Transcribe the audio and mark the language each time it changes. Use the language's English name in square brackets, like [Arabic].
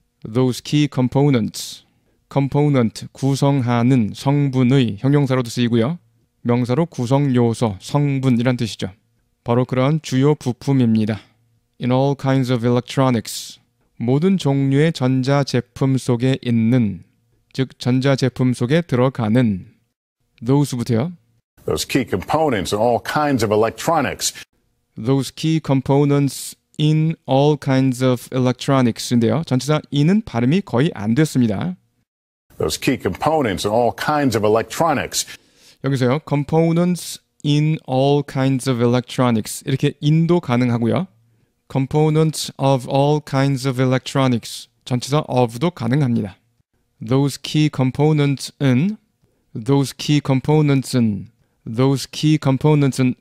[English] Those key components. Component, [Korean] 구성하는 성분의 형용사로도 쓰이고요. 명사로 구성요소, 성분이란 뜻이죠. 바로 그러한 주요 부품입니다. [English] In all kinds of electronics. [Korean] 모든 종류의 전자제품 속에 있는, 즉 전자제품 속에 들어가는. Those부터요. [English] Those key components in all kinds of electronics. Those key components In all kinds of electronics인데요. [Korean] 전체적으로 in은 발음이 거의 안 됐습니다. [English] Those key components in all kinds of electronics. [Korean] 여기서요. [English] Components in all kinds of electronics. [Korean] 이렇게 in도 가능하고요. [English] Components of all kinds of electronics. [Korean] 전체적으로 of도 가능합니다. [English] Those key components in. Those key components in. Those key components in.